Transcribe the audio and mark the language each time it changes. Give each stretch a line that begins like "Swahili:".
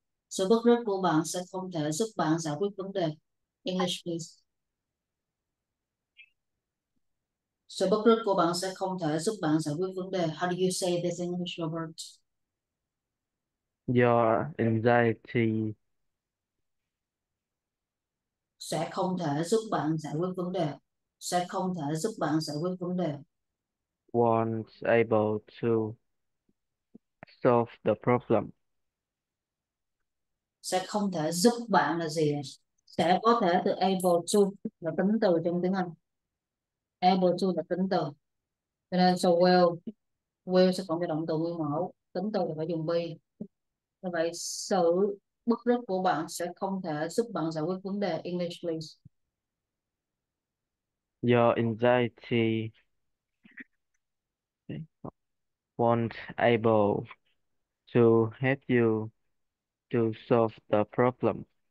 Vietnamese: Sự bức rứt của bạn sẽ không thể giúp bạn giải quyết vấn đề.
English: English, please.
Vietnamese: Sự bức rứt của bạn sẽ không thể giúp bạn giải quyết vấn đề.
English: How do you say this in English, Robert? Your anxiety
Vietnamese: Sẽ không thể giúp bạn giải quyết vấn đề. Sẽ không thể giúp bạn giải quyết vấn đề.
English: won't able to solve the problem.
Vietnamese: Sẽ không thể giúp bạn là gì? Sẽ có thể từ able to là tính từ trong tiếng Anh. Able to là tính từ. Cho nên so will sẽ có cái động từ nguyên mẫu. Tính từ thì phải dùng be. Như vậy sự bức rứt của bạn sẽ không thể giúp bạn giải quyết vấn đề.
English: English, please. Your able to help you to solve the problem.